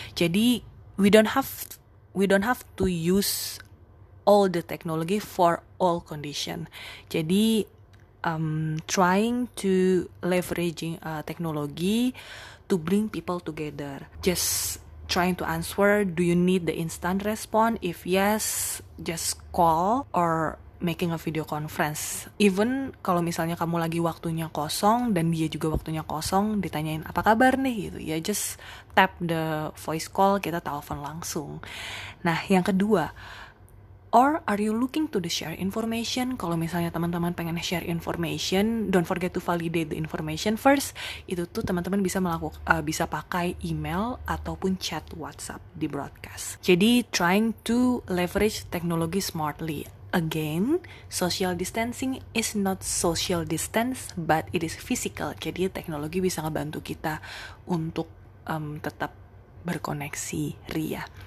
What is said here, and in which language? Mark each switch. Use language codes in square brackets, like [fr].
[en] Jadi we don't have to use all the technology for all condition. Jadi trying to leveraging technology to bring people together. Just trying to answer, do you need the instant response? If yes, just call or making a video conference. [id] Even kalau misalnya kamu lagi waktunya kosong dan dia juga waktunya kosong, ditanyain apa kabar nih gitu. [en] Ya just tap the voice call, [id] kita telepon langsung. Nah, yang kedua, [en] or are you looking to the share information? [id] Kalau misalnya teman-teman pengen [en] share information, don't forget to validate the information first. [id] Itu tuh teman-teman bisa melakukan bisa pakai email ataupun chat WhatsApp di broadcast. [en] Jadi trying to leverage technology smartly. Again, social distancing is not social distance, but it is physical. [id] Jadi teknologi bisa ngebantu kita untuk tetap berkoneksi ria.